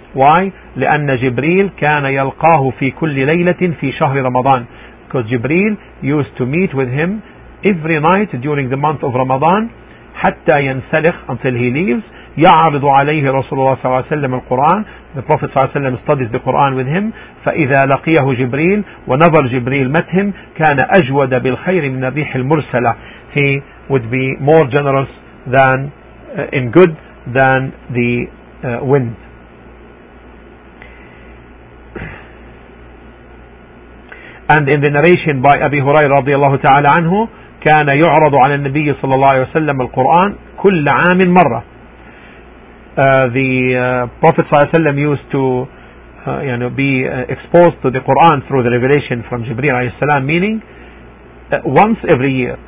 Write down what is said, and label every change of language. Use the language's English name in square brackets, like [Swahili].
[English] Why? [Arabic] لِأَنَّ جِبْرِيلَ كَانَ يَلْقَاهُ فِي كُلِّ لَيْلَةٍ فِي شَهْرِ رَمَضَانِ. [English] Because Jibreel used to meet with him every night during the month of Ramadan. [Arabic] حَتَّى يَنْسَلِخْ, [English] until he leaves. [Arabic] يَعْرِضُ عَلَيْهِ رَسُولُ اللَّهِ صَلَّى اللَّهُ عَلَيْهِ وَسَلَّمَ الْقُرْآنَ. [English] The Prophet صلى الله عليه وسلم studies the Quran with him. [Arabic] فَإِذَا لَقِيَهُ جِبْرِيلُ وَنَظَرَ جِبْرِيلُ [English] met him, [Arabic] كَانَ أَجْوَدَ بِالْخَيْرِ مِنَ الرِّيحِ الْمُرْسَلَةِ. [English] He would be more generous than in good than the wind. And in the narration by Abi Hurairah [Arabic] رضي الله تعالى عنه, كَانَ يُعْرَضُ عَلَى النَّبِيِّ صلى الله عليه وسلم الْقُرْآنَ كُلَّ عَامٍ مَرَّةٍ. [English] The Prophet ﷺ used to exposed to the Quran through the revelation from Jibreel عليه السلام, meaning once every year.